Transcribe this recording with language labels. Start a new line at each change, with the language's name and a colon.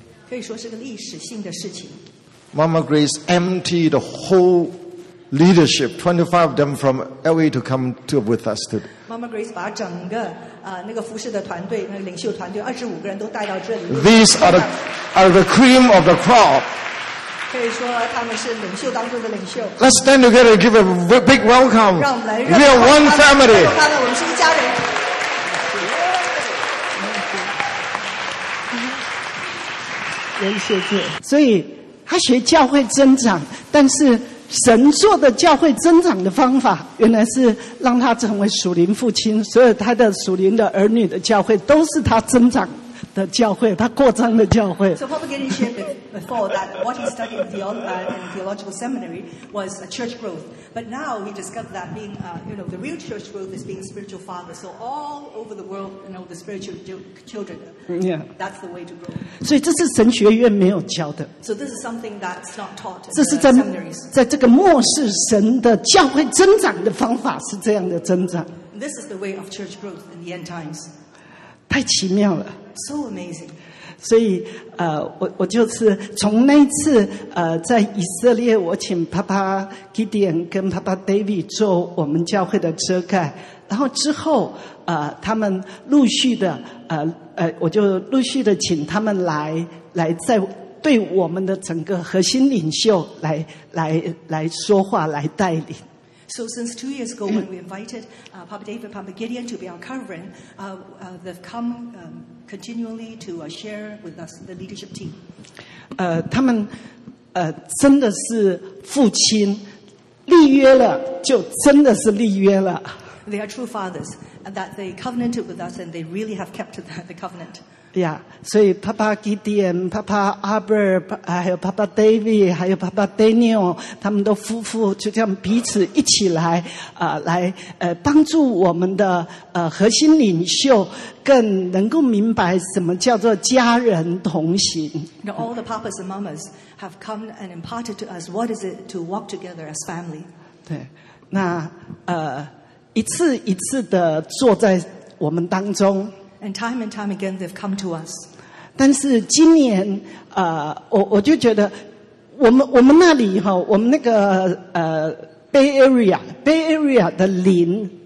Chinese: 可以说是个历史性的事情。
English: Mama Grace emptied the whole leadership, 25 of them from LA to come to with us today.
Chinese: Mama Grace 把整个那个服侍的团队那个领袖团队25个人都带到这里。
English: These are the cream of the crop.
Chinese: 可以说他们是领袖当中的领袖。
English: Let's stand together and give a big welcome.
Chinese: 让我们来
English: We are one family.
Chinese: 让我们是一家人。人谢谢。所以他学教会增长，但是神做的教会增长的方法原来是让他成为属灵父亲，所有他的属灵的儿女的教会都是他增长的教会，他扩张的教会。
English: So Papa Gideon shared before that what he studied in theological seminary was a church growth, but now he discovered that being the real church growth is being spiritual father, so all over the world the spiritual children, that's the way to grow.
Chinese: 所以这是神学院没有教的。
English: So this is something that's not taught in seminaries.
Chinese: 在这个末世神的教会增长的方法是这样的增长。
English: This is the way of church growth in the end times.
Chinese: 太奇妙了。
English: So amazing.
Chinese: 所以我就是从那次在以色列我请 Papa Gideon 跟 Papa David 做我们教会的遮盖，然后之后他们陆续的我就陆续的请他们来在对我们的整个核心领袖来说话来带领。
English: So since 2 years ago when we invited Papa David, Papa Gideon to be our covering, they've come continually to share with us the leadership team.
Chinese: 他们真的是父亲，立约了就真的是立约了。
English: They are true fathers, and that they covenanted with us, and they really have kept the covenant.
Chinese: Yeah, 所以 Papa Gideon, Papa Albert, 还有 Papa David, 还有 Papa Daniel, 他们都夫妇就这样彼此一起来帮助我们的核心领袖更能够明白什么叫做家人同行。
English: Now, all the papas and mamas have come and imparted to us what is it to walk together as family.
Chinese: 对，那一次一次的坐在我们当中。
English: And time again, they've come to us.
Chinese: 但是今年，我就觉得，我们那里哈，我们那个Bay Area 的灵